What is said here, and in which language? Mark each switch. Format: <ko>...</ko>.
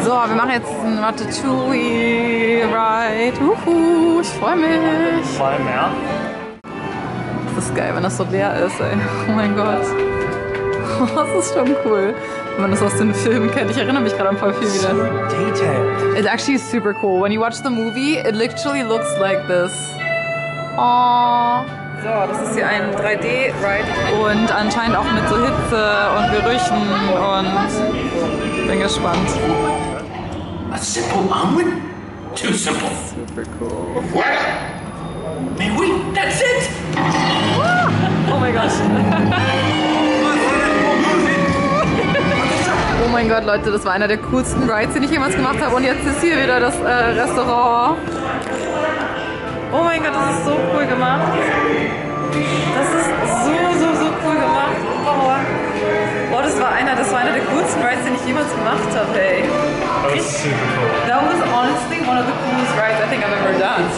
<de>So, wir machen jetzt ein Ratatouille-Ride. Woohoo, ich freue mich.</de> <en>Fly him out.</en> <de>ist geil, wenn das so leer ist, ey. Oh mein Gott. Das ist schon cool. Wenn man das aus den Filmen kennt. Ich erinnere mich gerade an voll viel wieder.</de> <en>Detailed. It actually is super cool. When you watch the movie, it literally looks like this. Aww.</en> <de>So, das ist hier ein 3D-Ride. Und anscheinend auch mit so Hitze und Gerüchen und... Bin gespannt.</de> <en>A simple almond? Too simple. Super cool. What? May we? That's it! Ah! Oh my gosh.</en> <de>Oh mein Gott, Leute, das war einer der coolsten Rides, den ich jemals gemacht habe. Und jetzt ist hier wieder das Restaurant. Oh mein Gott, das ist so cool gemacht. Das ist so, so, so cool gemacht. Oh, oh, das war einer der coolsten Rides, den ich jemals gemacht habe, ey.</de> <en>That was super cool. That was honestly one of the coolest rides I think I've ever done.</en>